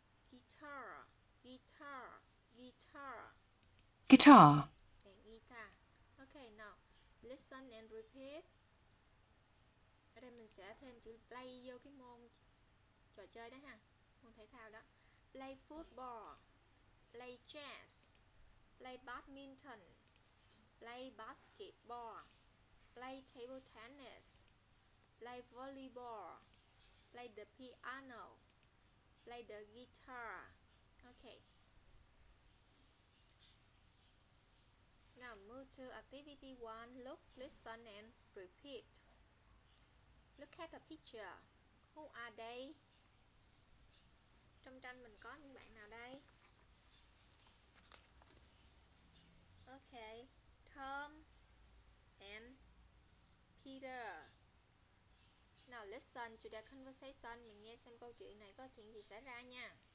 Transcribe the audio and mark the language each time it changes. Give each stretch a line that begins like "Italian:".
English: Guitar, guitar, guitar. Guitar.
Vietnamese: Đàn guitar.
English: Okay, now listen and repeat.
Vietnamese: Ở đây mình sẽ thêm chữ play vô cái môn trò chơi đó ha, môn thể thao đó.
English: Play football, play chess, play badminton, play basketball, play table tennis, play volleyball, play the piano, play the guitar. Okay. Now move to activity 1, look, listen and repeat. Look at the picture. Who are they?
Vietnamese: Trong tranh mình có những bạn nào đây?
English: Okay, Tom and Peter. Now listen to the conversation.
Vietnamese: Mình nghe xem câu chuyện này có chuyện gì xảy ra nha.